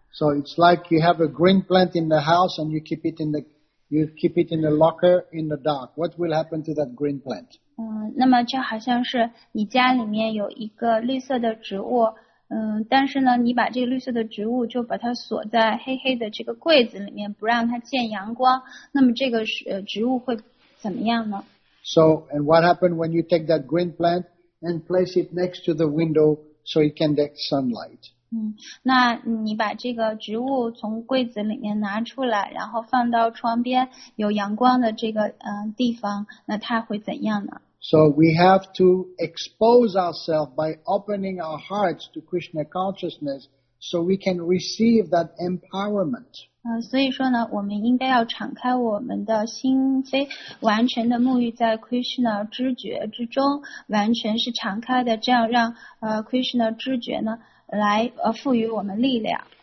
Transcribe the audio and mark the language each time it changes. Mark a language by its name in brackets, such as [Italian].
[English] So it's like you have a green plant in the house and you keep it in the locker in the dark. What will happen to that green plant? [Chinese] 那么就好像是你家里面有一个绿色的植物，但是呢，你把这个绿色的植物就把它锁在黑黑的这个柜子里面，不让它见阳光。那么这个植物会怎么样呢？ [English] So, and what happened when you take that green plant and place it next to the window so it can get sunlight? [Chinese] 那你把这个植物从柜子里面拿出来，然后放到窗边有阳光的这个地方，那它会怎样呢？ [English] So we have to expose ourselves by opening our hearts to Krishna consciousness so we can receive that empowerment. [Chinese] 所以说呢，我们应该要敞开我们的心扉，完全的沐浴在 Krishna 知觉之中，完全是敞开的，这样让Krishna 知觉呢来赋予我们力量。